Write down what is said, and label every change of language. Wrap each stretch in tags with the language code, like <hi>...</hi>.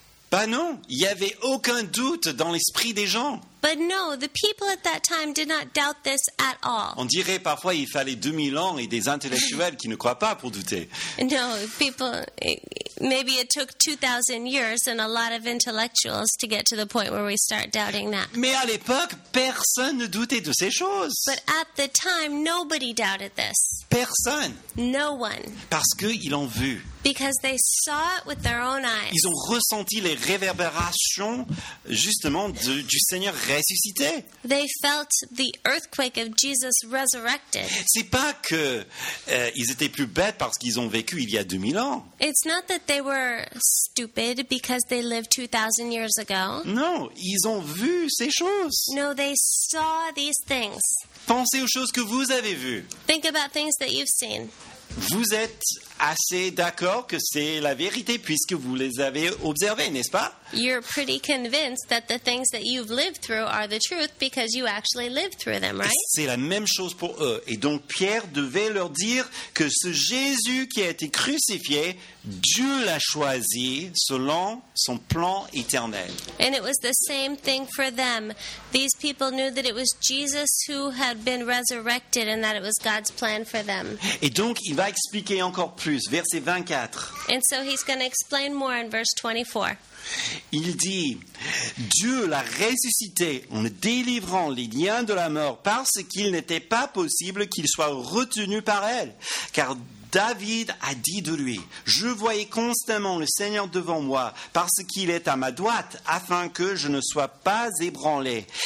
<fr>Bah non, il y avait aucun doute dans l'esprit des gens.</fr> <en>But no, the people at that time did not doubt this at all.</en> <fr>On dirait parfois il fallait 2000 ans et des intellectuels qui ne croient pas pour douter.</fr> <en>No, people, maybe it took 2000 years and a lot of intellectuals to get to the point where we start doubting that.</en> <fr>Mais à l'époque, personne ne doutait de ces choses.</fr> <en>But at the time, nobody doubted this.</en> <fr>Personne.</fr> <en>No one.</en> <fr>Parce qu'ils l'ont vu.</fr> <en>Because they saw it with their own eyes.</en> <fr>Ils ont ressenti les réverbérations justement du Seigneur ressuscité.</fr> <en>They felt the earthquake of Jesus resurrected.</en> <fr>C'est pas que ils étaient plus bêtes parce qu'ils ont vécu il y a 2000 ans.</fr> <en>It's not that they were stupid because they lived 2000 years ago.</en> <fr>Non, ils ont vu ces choses.</fr> <en>No, they saw these things.</en> <fr>Pensez aux choses que vous avez vues.</fr> <en>Think about things that you've seen.</en> <fr>Vous êtes assez d'accord que c'est la vérité puisque vous les avez observés, n'est-ce pas?</fr> <en>You're pretty convinced that the things that you've lived through are the truth because you actually lived through them, right?</en> <fr>C'est la même chose pour eux. Et donc Pierre devait leur dire que ce Jésus qui a été crucifié, Dieu l'a choisi selon son plan éternel.</fr> <en>And it was the same thing for them. These people knew that it was Jesus who had been resurrected and that it was God's plan for them.</en> <fr>Et donc il va expliquer encore plus, verset 24.</fr> <en>And so he's going to explain more in verse 24.</en> <fr>Il dit, Dieu l'a ressuscité en le délivrant les liens de la mort parce qu'il n'était pas possible qu'il soit retenu par elle. Car David a dit de lui, je voyais constamment le Seigneur devant moi parce qu'il est à ma droite afin que je ne sois pas ébranlé.</fr>